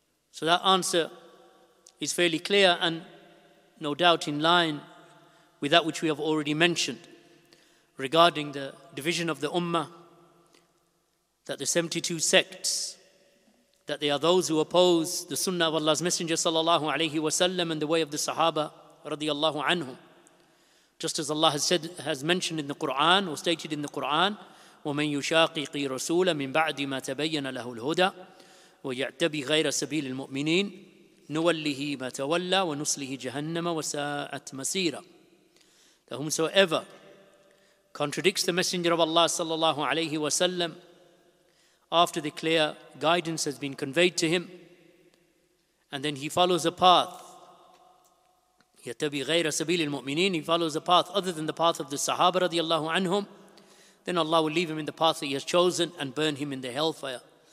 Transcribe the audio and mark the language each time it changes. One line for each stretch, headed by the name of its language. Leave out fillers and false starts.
English: So that answer is fairly clear and no doubt in line with that which we have already mentioned regarding the division of the Ummah, that the 72 sects, that they are those who oppose the Sunnah of Allah's Messenger sallallahu alayhi wa sallam and the way of the Sahaba radiyallahu anhum. Just as Allah has mentioned in the Quran or stated in the Quran,
Arabic: وَمَنْ يُشَاقِقِ رَسُولَ مِنْ بَعْدِ مَا تَبَيَّنَ لَهُ الْهُدَى وَيَعْتَبِ غَيْرَ سَبِيلِ الْمُؤْمِنِينَ نُوَلِّهِ مَا تَوَلَّى وَنُصْلِهِ جَهَنَّمَ وَسَاءَتْ مَسِيرًا.
English: That whomsoever contradicts the Messenger of Allah sallallahu alayhi wa sallam after the clear guidance has been conveyed to him, and then he follows a path,
Arabic: يَتَبِي غَيْرَ سَبِيلِ الْمُؤْمِنِينَ,
English: he follows a path other than the path of the Sahaba radiallahu anhum, then Allah will leave him in the path that he has chosen and burn him in the hellfire.